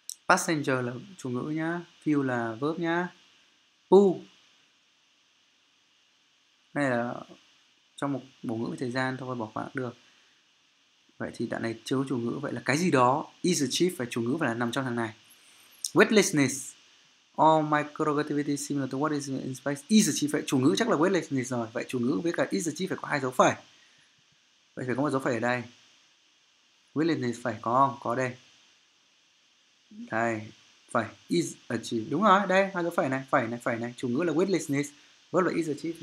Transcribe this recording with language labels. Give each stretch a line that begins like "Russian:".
Vietnamese: Passenger là chủ ngữ nhá, fuel là verb nhá. Pool. Đây là trong một bổ ngữ thời gian thôi, bỏ qua được. Vậy thì đoạn này chưa có chủ ngữ, vậy là cái gì đó
English: is achieved
Vietnamese: và chủ ngữ phải là nằm trong thằng này.
English: Weightlessness. All microgravity similar to what is in space is achieved.
Vietnamese: Vậy chủ ngữ chắc là weightlessness rồi. Vậy chủ ngữ với cả
English: is achieved
Vietnamese: phải có hai dấu phẩy. Vậy phải có một dấu phẩy ở đây. Weightlessness phải có không? Có đây. Đây, phải
English: is achieved.
Vietnamese: Đúng rồi, đây hai dấu phẩy này, phẩy này, phẩy này. Chủ ngữ là weightlessness, verb là
English: is achieved.